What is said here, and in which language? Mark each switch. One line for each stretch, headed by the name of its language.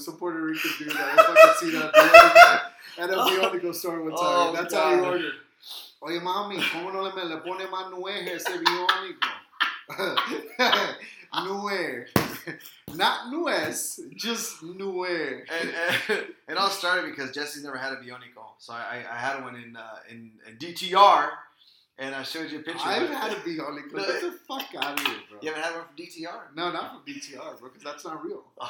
English: Some Puerto Rican dude that I fucking see that at a Bionico store one time. Oh, that's God. How he ordered.
Spanish: Oye, mami, ¿cómo no le pone más nueje ese Bionico?
English: Nue. Not nuez, just nue. And it all started because Jesse's never had a Bionico. So I had one in DTR. And I showed you a picture. I've had a Bionico. Get the fuck out of here, bro. You haven't had one from DTR? No, not from DTR, bro, because that's not real.